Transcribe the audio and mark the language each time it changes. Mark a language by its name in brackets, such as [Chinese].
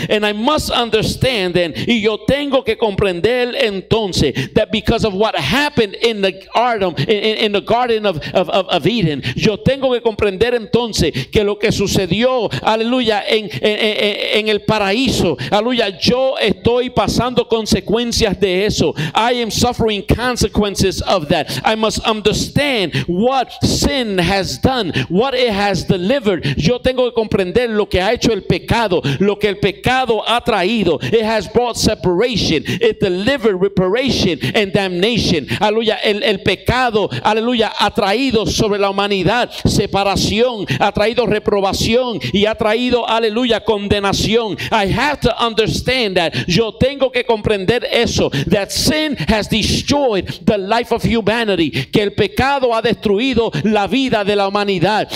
[English] And I must understand then, [Spanish] y yo tengo que comprender entonces, [English] that because of what happened in the garden of Eden. [Spanish] Yo tengo que comprender entonces que lo que sucedió, aleluya, en el paraíso, aleluya, yo estoy pasando consecuencias de eso. [English] I am suffering consequences of that. I must understand what sin has done, what it has delivered. [Spanish] Yo tengo que comprender lo que ha hecho el pecado, lo que el pecado ha traído. [English] It has brought separation, it delivered reparation and damnation. [Spanish] Aleluya, el pecado, aleluya, ha traído sobre la humanidad separación, ha traído reprobación y ha traído, aleluya, condenación. [English] I have to understand that. [Spanish] Yo tengo que comprender eso, [English] that sin has destroyed the life of humanity, [Spanish] que el pecado ha destruido la vida de la humanidad.